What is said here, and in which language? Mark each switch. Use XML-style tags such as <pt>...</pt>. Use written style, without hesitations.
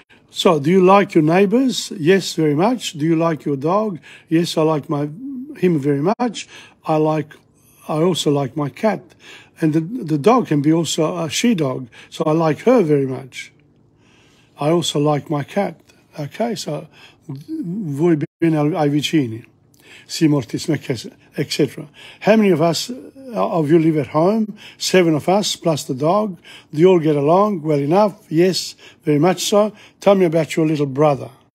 <en>So, do you like your neighbours? Yes, very much. Do you like your dog? Yes, I like him very much. I also like my cat. And the dog can be also a she-dog, so I like her very much. I also like my cat. Okay, so</en> <it>voi bene ai vicini, si moltissimo, etc.</it> <en>How many of you live at home? 7 of us, plus the dog. Do you all get along well enough? Yes, very much so. Tell me about your little brother.</en>